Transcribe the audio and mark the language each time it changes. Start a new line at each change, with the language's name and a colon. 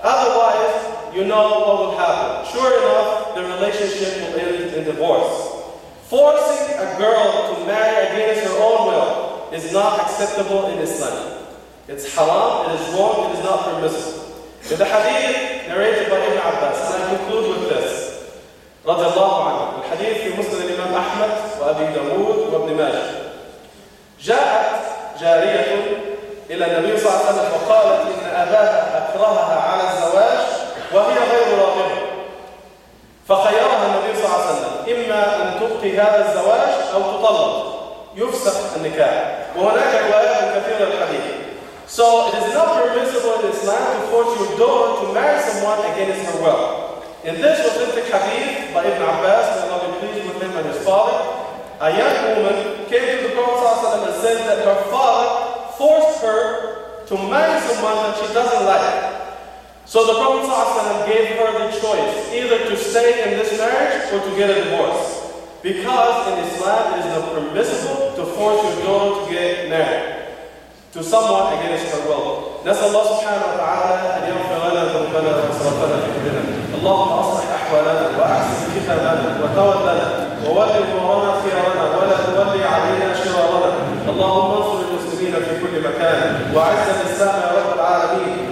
English: Otherwise, you know what will happen. Sure enough, the relationship will end in divorce. Forcing a girl to marry against her own will is not acceptable in Islam. It's haram, it is wrong, it is not permissible. In the hadith narrated by Ibn Abbas, and I conclude with this.
Arabic: رضي الله عنه. الحديث في مسند الإمام أحمد وأبي داود وابن ماجه. جاءت جارية إلى النبي صلى الله عليه وسلم وقالت إن أباها أكرهها على الزواج وهي غير راغبة. فخيرها النبي صلى الله عليه وسلم إما أن تبقي هذا الزواج أو تطلق يفسخ النكاح وهناك روايات كثيرة للحديث.
English: So it is not permissible in Islam to force your daughter to marry someone against her will. In this authentic hadith by Ibn Abbas, may Allah be pleased with him and his father, a young woman came to the Prophet
Arabic: صلى الله عليه وسلم
English: and said that her father forced her to marry someone that she doesn't like. So the Prophet ﷺ gave her the choice either to stay in this marriage or to get a divorce. Because in Islam it is not permissible to force your daughter to get married to someone against her will.
Arabic: نسأل الله سبحانه وتعالى أن يغفر لنا ذنوبنا وإسرافنا في أمرنا. اللهم أصلح أحوالنا وأحسن خلالنا وتولنا وولي أمورنا خيارنا ولا تولي علينا شرارنا. اللهم انصر المسلمين في كل مكان وأعز الإسلام يا رب العالمين.